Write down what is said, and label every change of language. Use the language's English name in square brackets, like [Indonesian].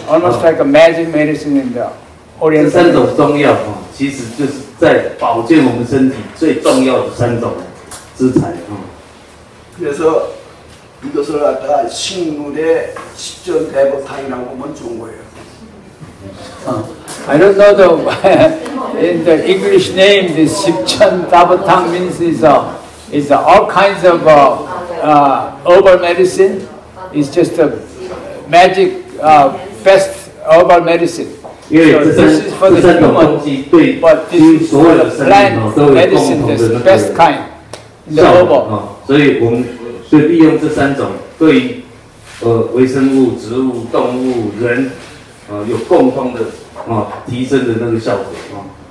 [English] almost like a magic medicine in the oriental [Chinese] 这三种中药其实就是在保健我们身体最重要的三种资材啊、嗯。 [Korean] 그래서이것을갖다식물의식전대보탕이라고보면좋은거예요 [English] I don't know the in the English name, the 식전대보탕 means is all kinds of herbal medicine. It's just a magic best herbal medicine. [Chinese] 因为这三种东西对几乎所有的生命哦都有共同的那个效果啊，所以我们就利用这三种对微生物、植物、动物、人啊有共同的啊提升的那个效果啊。